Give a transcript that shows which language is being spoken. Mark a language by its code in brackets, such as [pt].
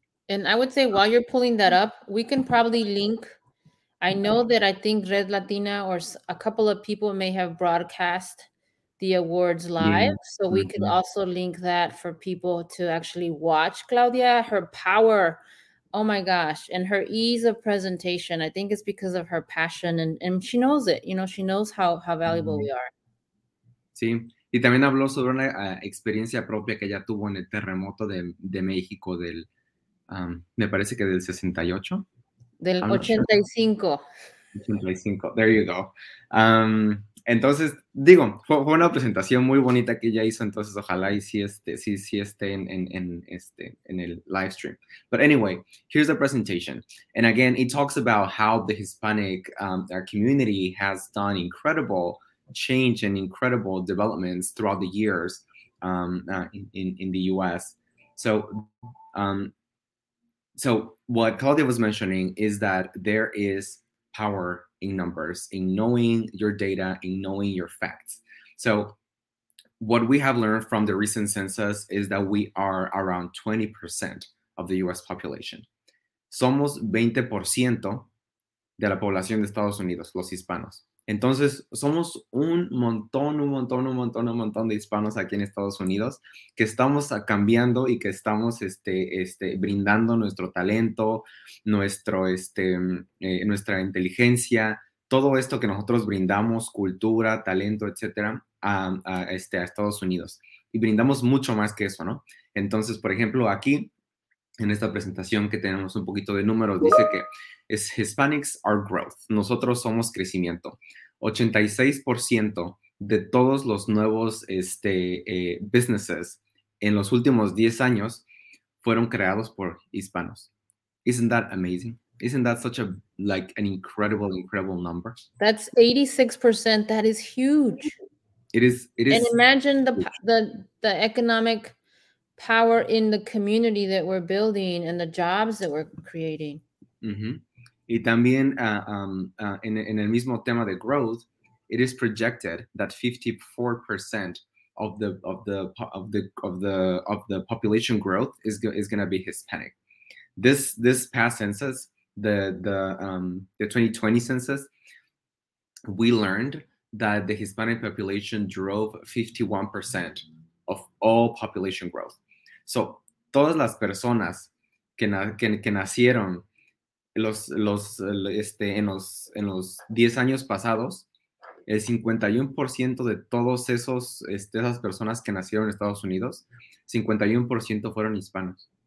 [en] And I would say while you're pulling that up, we can probably link. I know that I think Red Latina or a couple of people may have broadcast the awards live. Yeah. So we mm-hmm. could also link that for people to actually watch Claudia, her power. Oh my gosh. And her ease of presentation. I think it's because of her passion and she knows it. You know, she knows how valuable mm-hmm. we are. [es] Sí. Y también habló sobre una experiencia propia que ella tuvo en el terremoto de México del, me parece que del 68. Del 85. [en] Sure. 85. There you go. [es] Entonces, digo, fue una presentación muy bonita que ella hizo, entonces ojalá y sí esté en el live stream. [en] But anyway, here's the presentation. And again, it talks about how the Hispanic our community has done incredible change and incredible developments throughout the years in the U.S. So what Claudia was mentioning is that there is power in numbers, in knowing your data, in knowing your facts. So what we have learned from the recent census is that we are around 20% of the U.S. population. [es] Somos 20% de la población de Estados Unidos, los hispanos. Entonces, somos un montón de hispanos aquí en Estados Unidos que estamos cambiando y que estamos brindando nuestro talento, nuestra inteligencia, todo esto que nosotros brindamos, cultura, talento, etcétera, a Estados Unidos. Y brindamos mucho más que eso, ¿no? Entonces, por ejemplo, aquí en esta presentación que tenemos un poquito de números, dice que es [en] Hispanics are growth. [es] Nosotros somos crecimiento. 86% de todos los nuevos businesses en los últimos 10 años fueron creados por hispanos. [en] Isn't that amazing? Isn't that such a, like, an incredible, incredible number? That's 86%. That is huge. It is. And imagine the economic power in the community that we're building and the jobs that we're creating. Mm-hmm. [es] Y también en el mismo tema de [en] growth, it is projected that 54% of the population growth is going to be Hispanic. This past census, the 2020 census, we learned that the Hispanic population drove 51% of all population growth. [es] So todas las personas que nacieron en los 10 años pasados, el 51% de todos esos esas personas que nacieron en Estados Unidos, 51% fueron hispanos.